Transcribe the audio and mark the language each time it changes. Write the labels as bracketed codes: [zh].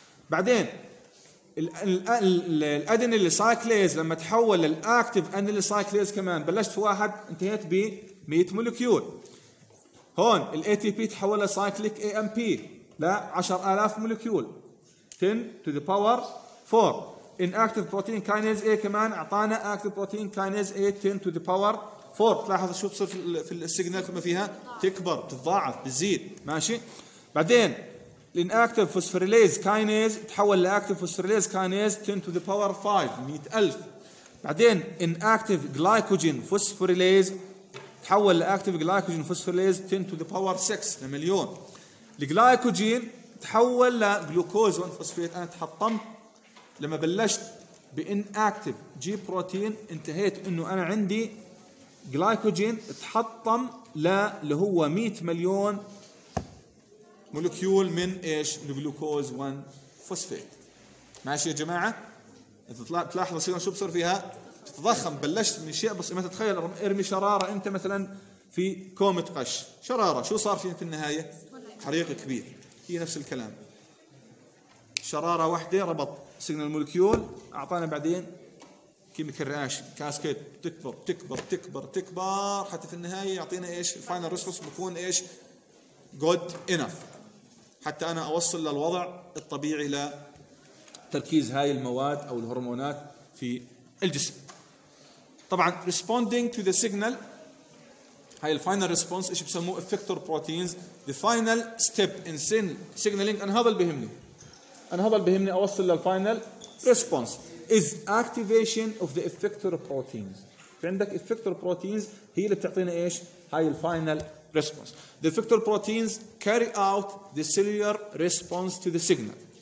[ar] بعدين الأدينيل سايكليز لما تحول للأكتف أدينيل سايكليز كمان بلشت في واحد انتهيت بمية مولكيول. هون الـ ATP تحول لسايكليك AMP لعشر آلاف مولكيول 10 to the power 4. [en] Inactive protein kinase A [ar] كمان أعطانا [en] active protein kinase A 10 to the power 4. [ar] تلاحظ شو تصير في السيجنال كما فيها تكبر تضاعف بزيد. ماشي. بعدين [en] Inactive phosphorylase kinase [ar] تحول [en] لactive phosphorylase kinase 10 to the power 5 [ar] مئة ألف. بعدين [en] Inactive glycogen phosphorylase [ar] تحول [en] لactive glycogen phosphorylase 10 to the power 6 [ar] لمليون. الجلايكوجين تحول لجلوكوز وان فوسفيت، انا تحطمت لما بلشت بان اكتف جي بروتين انتهيت انه انا عندي جلايكوجين تحطم ل اللي هو 100 مليون مولكيول من ايش الجلوكوز وان فوسفيت. ماشي يا جماعه. انت تلاحظوا شلون شو بصير فيها تتضخم. بلشت من شيء بس ما تتخيل ارمي شراره انت مثلا في كومه قش، شراره شو صار فيها في النهايه؟ حريق كبير. هي نفس الكلام، شرارة واحدة ربط سيجنال مولكيول أعطانا بعدين كيميكال رياكشن كاسكيد تكبر تكبر تكبر تكبر حتى في النهاية يعطينا إيش الفاينل ريسبونس بكون إيش جود إناف حتى أنا أوصل للوضع الطبيعي لتركيز هاي المواد أو الهرمونات في الجسم. طبعا [en] responding to the signal [ar] هاي الفاينل ريسبونس إيش بسموه [en] effector proteins the final step in signaling. [ar] أنا هذا اللي بهمني، أنا هذا اللي بهمني أوصل للفاينل ريسبونس [en] is activation of the effector proteins. [ar] في عندك effector proteins هي اللي بتعطينا إيش هاي الفاينل ريسبونس. [en] the effector proteins carry out the cellular response to the signal.